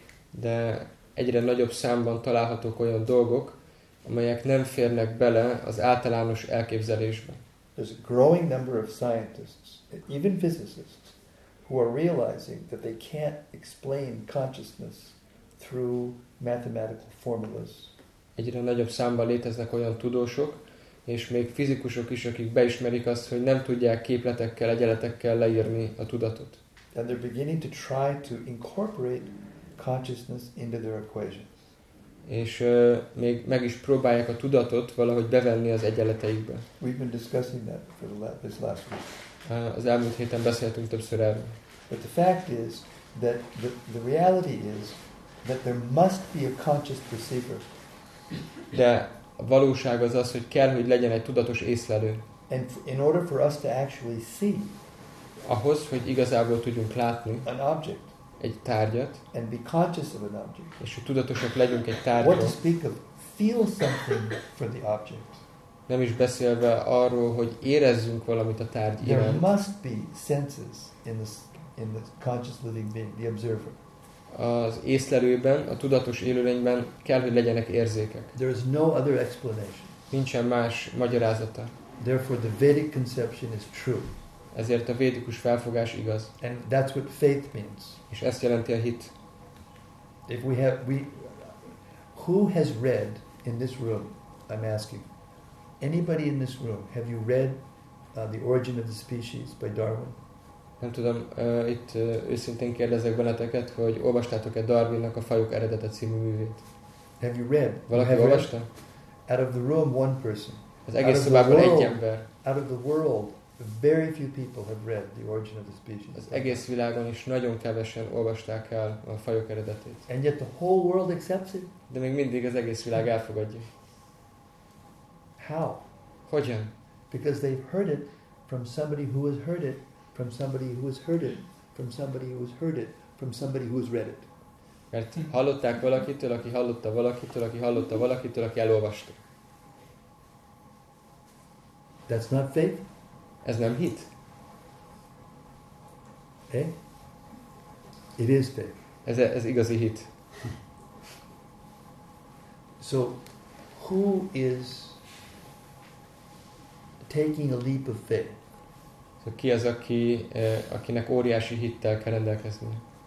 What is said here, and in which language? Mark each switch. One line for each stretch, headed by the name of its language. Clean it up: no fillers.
Hungarian: De egyre nagyobb számban találhatók olyan dolgok, amelyek nem férnek bele az általános elképzelésbe.
English: There's a growing number of scientists, even physicists, who are realizing that they can't explain consciousness through mathematical formulas.
Hungarian: Egyre nagyobb számban léteznek olyan tudósok, és még fizikusok is, akik beismerik azt, hogy nem tudják képletekkel, egyeletekkel leírni a tudatot.
English: And they're beginning to try to incorporate consciousness into their equations.
Hungarian: És még meg is próbálják a tudatot valahogy bevenni az egyeleteikbe.
English: We've been discussing that for this last week.
Hungarian: Az elmúlt héten beszéltünk többször erről.
English: But the fact is that the reality is that there must be a conscious perceiver.
Hungarian: De a valóság az az, hogy kell, hogy legyen egy tudatos észlelő.
English: And in order for us to actually see,
Hungarian: ahhoz, hogy igazából tudjunk látni
English: an object,
Hungarian: egy tárgyat.
English: And be conscious of an object.
Hungarian: És hogy tudatosak legyünk egy tárgyról.
English: What to speak of? Feel something for the object.
Hungarian: Nem is beszélve arról, hogy érezzünk valamit a tárgy iránt.
English: There must be senses in the conscious living being, the observer.
Hungarian: Az észlelőben, a tudatos élőlényben kell, hogy legyenek érzékek.
English: There is no other explanation.
Hungarian: Nincsen más magyarázata.
English: Therefore the Vedic conception is true.
Hungarian: Ezért a védikus felfogás igaz.
English: And that's what faith means.
Hungarian: És ezt jelenti a hit.
English: If we have who has read in this room, I'm asking, anybody in this room, have you read The Origin of the Species by Darwin?
Hungarian: Nem tudom, itt őszintén kérdezek benneteket, hogy olvastátok-e Darwinnak a Fajok eredete című művét?
English: Have you read?
Hungarian: Valaki olvasta?
English: Out of the room, one person.
Hungarian: Az egész szobában egy ember.
English: Out of the world, very few people have read The Origin of the Species.
Hungarian: Az egész világon is nagyon kevesen olvasták el a Fajok eredetét.
English: And yet the whole world accepts it.
Hungarian: De még mindig az egész világ elfogadja.
English: How?
Hungarian: Hogyan?
English: Because they've heard it from somebody who has heard it, from somebody who has heard it, from somebody who has heard it, from somebody who has read it.
Hungarian: Mert hallották valakitől, aki hallotta valakitől, aki hallotta valakitől, aki elolvasta.
English: That's not faith.
Hungarian: Ez nem hit.
English: Eh? It is faith.
Hungarian: Ez igazi hit.
English: So, who is taking a leap of faith?
Hungarian: So, ki az, aki, akinek óriási hittel kell rendelkezni?